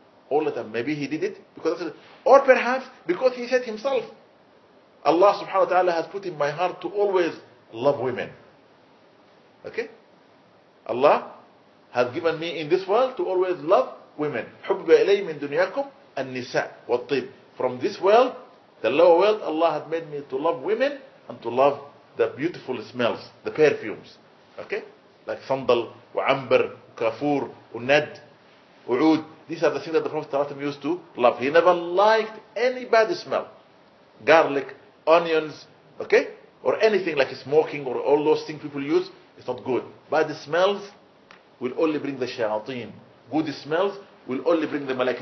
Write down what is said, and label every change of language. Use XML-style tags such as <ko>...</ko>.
<en>All of them. Maybe he did it because of it. Or perhaps because he said himself, Allah subhanahu wa ta'ala has put in my heart to always love women. Okay? Allah has given me in this world to always love women.</en> <ar>حُبَّ إِلَيْهِ مِن دُنْيَاكُمْ النِّسَاءِ وَالطِّيبِ.</ar> <en>From this world, the lower world, Allah has made me to love women and to love the beautiful smells, the perfumes. Okay? Like sandal, وعنبر, كافور, وند, وعود. These are the things that the Prophet ﷺ used to love. He never liked any bad smell. Garlic, onions, okay? Or anything like smoking or all those things people use, it's not good. Bad smells will only bring the shayateen. Good smells will only bring the malaik.</en>